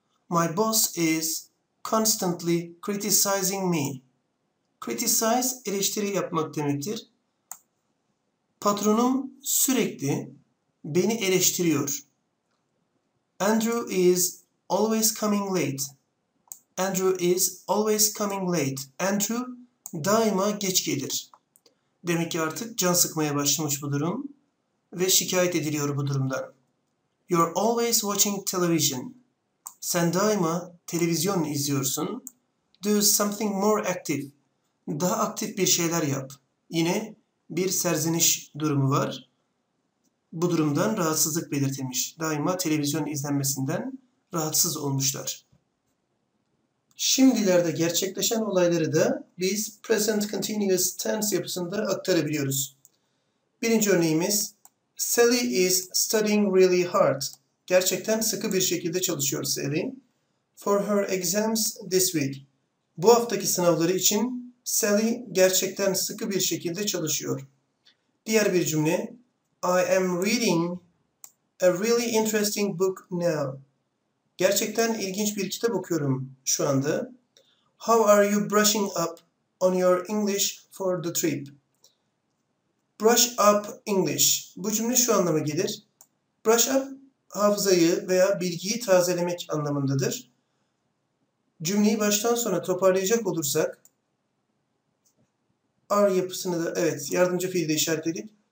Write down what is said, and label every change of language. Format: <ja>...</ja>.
<en>My boss is constantly criticizing me.</en> <tr>Criticize, eleştiri yapmak demektir. Patronum sürekli beni eleştiriyor.</tr> <en>Andrew is always coming late. Andrew is always coming late.</en> <tr>Andrew daima geç gelir. Demek ki artık can sıkmaya başlamış bu durum ve şikayet ediliyor bu durumdan.</tr> <en>You're always watching television.</en> <tr>Sen daima televizyon izliyorsun.</tr> <en>Do something more active.</en> <tr>Daha aktif bir şeyler yap. Yine bir serzeniş durumu var. Bu durumdan rahatsızlık belirtilmiş. Daima televizyon izlenmesinden rahatsız olmuşlar. Şimdilerde gerçekleşen olayları da biz present continuous tense yapısında aktarabiliyoruz. Birinci örneğimiz,</tr> <en>Sally is studying really hard.</en> <tr>Gerçekten sıkı bir şekilde çalışıyor Sally.</tr> <en>For her exams this week.</en> <tr>Bu haftaki sınavları için Sally gerçekten sıkı bir şekilde çalışıyor. Diğer bir cümle,</tr> <en>I am reading a really interesting book now.</en> <tr>Gerçekten ilginç bir kitap okuyorum şu anda.</tr> <en>How are you brushing up on your English for the trip? Brush up English.</en> <tr>Bu cümle şu anlama gelir. Brush up, hafızayı veya bilgiyi tazelemek anlamındadır. Cümleyi baştan sona toparlayacak olursak, are yapısını da, evet, yardımcı fiil de işaretledik.</tr>